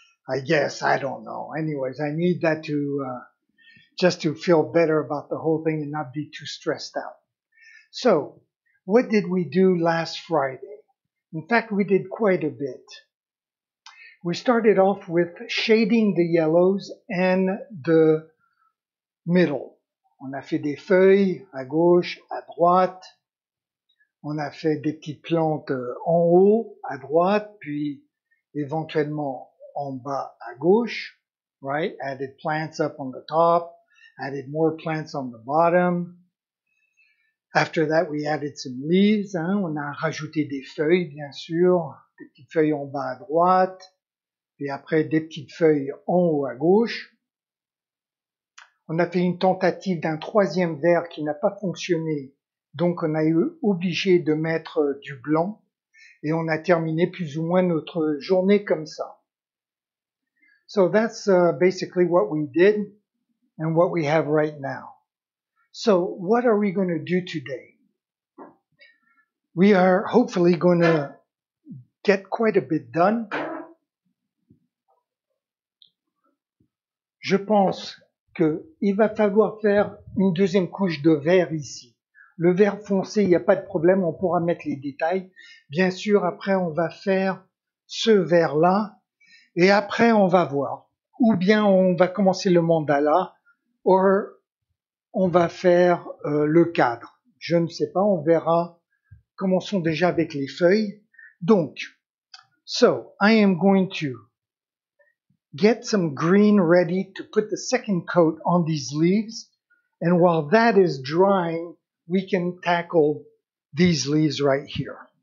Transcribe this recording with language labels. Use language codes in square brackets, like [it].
[en] I guess, I don't know. Anyways, I need that to just to feel better about the whole thing and not be too stressed out. So, what did we do last Friday? In fact, we did quite a bit. We started off with shading the yellows and the middle. [fr] On a fait des feuilles à gauche, à droite. On a fait des petites plantes en haut, à droite, puis éventuellement en bas à gauche, [en] right? Added plants up on the top, added more plants on the bottom. After that, we added some leaves. [fr] Hein? On a rajouté des feuilles, bien sûr, des petites feuilles en bas à droite, puis après des petites feuilles en haut à gauche. On a fait une tentative d'un troisième vert qui n'a pas fonctionné, donc on a eu obligé de mettre du blanc, et on a terminé plus ou moins notre journée comme ça. [en] So that's basically what we did and what we have right now. So what are we going to do today? We are hopefully going to get quite a bit done. [fr] Je pense qu'il va falloir faire une deuxième couche de vert ici. Le vert foncé, il n'y a pas de problème, on pourra mettre les détails. Bien sûr, après on va faire ce vert-là, et après on va voir. Ou bien on va commencer le mandala, ou on va faire le cadre. Je ne sais pas, on verra. Commençons déjà avec les feuilles. Donc, [en] so, I am going to get some green ready to put the second coat on these leaves. And while that is drying, we can tackle these leaves right here.